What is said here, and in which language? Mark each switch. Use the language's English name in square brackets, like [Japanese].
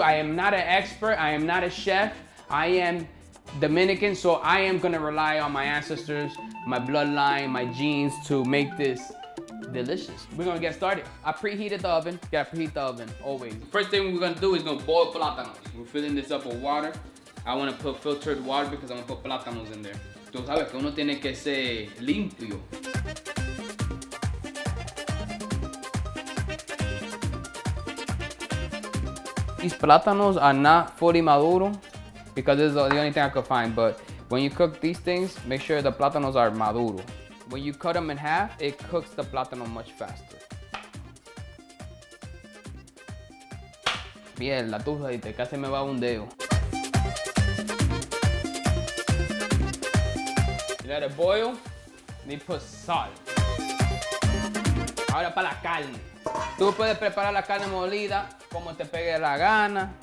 [English] I am not an expert. I am not a chef. I am Dominican, so I am gonna rely on my ancestors, my bloodline, my genes to make this delicious. We're gonna get started. I preheated the oven. Gotta preheat the oven, always. First thing we're gonna do is gonna boil plátano. We're filling this up with water. I want to put filtered water because I want to put plátanos in there. [Spanish] Tú sabes que uno tiene que ser limpio. [English] These plátanos are not fully maduro because this is the only thing I could find. But when you cook these things, make sure the plátanos are maduro. When you cut them in half, it cooks the plátano much faster. [Spanish] Mierda, tú sabes, casi me va un dedo. [English] Let it boil, then put salt. [Spanish] Ahora para la carne. Tú puedes preparar la carne molida como te pegue la gana.